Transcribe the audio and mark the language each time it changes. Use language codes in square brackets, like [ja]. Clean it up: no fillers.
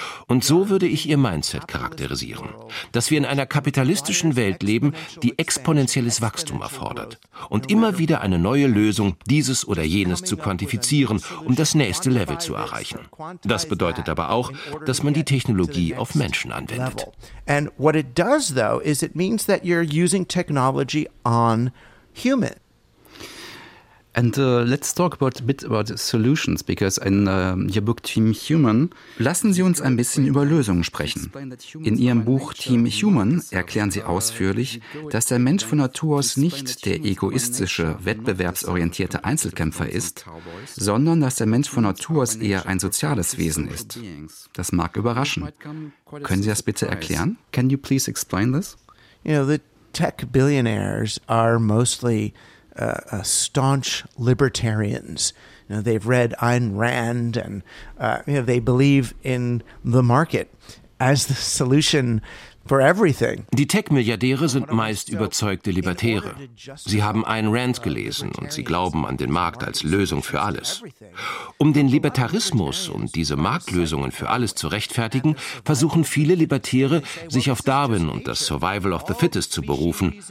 [de] Und so würde ich Ihr Mindset charakterisieren, dass wir in einer kapitalistischen Welt leben, die exponentielles Wachstum erfordert und immer wieder eine neue Lösung, dieses oder jenes zu quantifizieren, um das nächste Level zu erreichen. Das bedeutet aber auch, dass man die Technologie auf Menschen anwendet. [en] And what it does though is it means that you're using technology on humans. And let's talk a bit about solutions, because in your book Team Human, [de] lassen Sie uns ein bisschen über Lösungen sprechen. In Ihrem Buch Team Human erklären Sie ausführlich, dass der Mensch von Natur aus nicht der egoistische, wettbewerbsorientierte Einzelkämpfer ist, sondern dass der Mensch von Natur aus eher ein soziales Wesen ist. Das mag überraschen. Können Sie das bitte erklären? [en] Can you please explain this? You know, the tech billionaires are mostly staunch libertarians. You know, they've read Ayn Rand and you know, they believe in the market as the solution for everything. [de] Die Tech-Milliardäre sind meist überzeugte Libertäre. Sie haben Ayn Rand gelesen und sie glauben an den Markt als Lösung für alles. Um den Libertarismus und diese Marktlösungen für alles zu rechtfertigen, versuchen viele Libertäre, sich auf Darwin und das Survival of the Fittest zu berufen.